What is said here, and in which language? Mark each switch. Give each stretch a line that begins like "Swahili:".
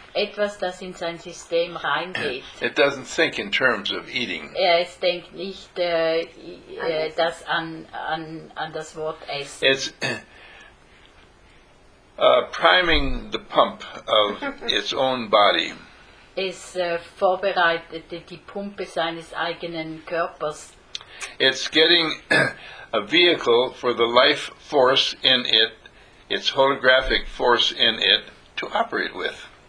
German: Etwas, das in sein System reingeht.
English: It doesn't think in terms of eating.
German: Es denkt nicht das an das Wort Essen.
English: It's priming the pump of its own body.
German: Es vorbereitet die Pumpe seines eigenen Körpers.
English: It's getting a vehicle for the life force in it, its holographic force in it, to operate with.